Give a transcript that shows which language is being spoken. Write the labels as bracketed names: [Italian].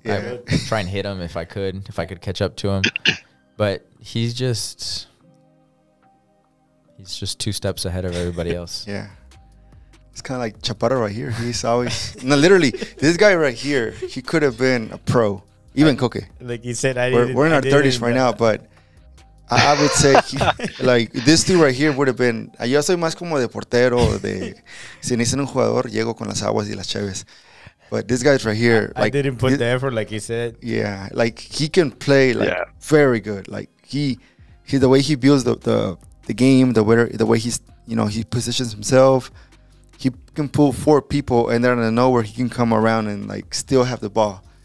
[English] Yeah. I would try and hit him if I could catch up to him. But he's just two steps ahead of everybody else. Yeah. It's kind of like Chaparro right here. He's always... No, literally, this guy right here, he could have been a pro. Even Coque. Like you said, We're in our 30s right now, but I would say, like, this dude right here would have been... [Spanish] Yo soy más como de portero, de... Si necesitan un jugador, llego con las aguas y las cheves. [English] But this guy's right here... I didn't put the effort, like you said. Yeah, like, he can play, like, very good. Like, he the way he builds the game, the way he's, you know, he positions himself... He can pull four people, and then out of nowhere, he can come around and, like, still have the ball.